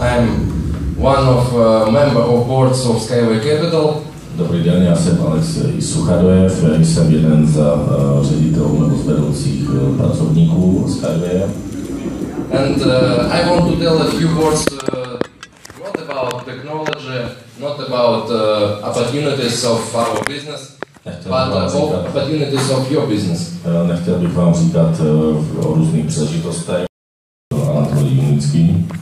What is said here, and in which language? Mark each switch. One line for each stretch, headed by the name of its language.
English: I'm one of member of boards of Skyway Capital.
Czech: Dobrý den, já jsem Alex Suchadojev, jsem jeden z ředitelů nebo z vedoucích pracovníků Skyway.
English: And I want to tell a few words not about technology, not about opportunities of our business, but opportunities of your business.
Czech: Nechtěl bych vám říkat o různých příležitostech, Anatolij Junický.